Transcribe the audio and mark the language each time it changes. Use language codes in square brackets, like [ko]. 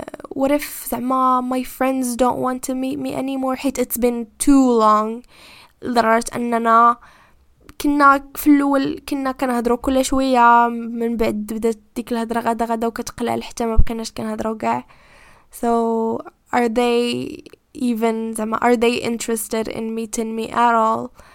[en] What if زعما my friends don't want to meet me anymore? [ar] حيت [en] it's been too long [ar] لدرجة اننا كنا في الاول كنا كنهضروا كل شويه من بعد بدات ديك الهضره غدا وكتقلال حتى ما بقيناش كنهضروا كاع. [en] So are they even زعما are they interested in meeting me at all?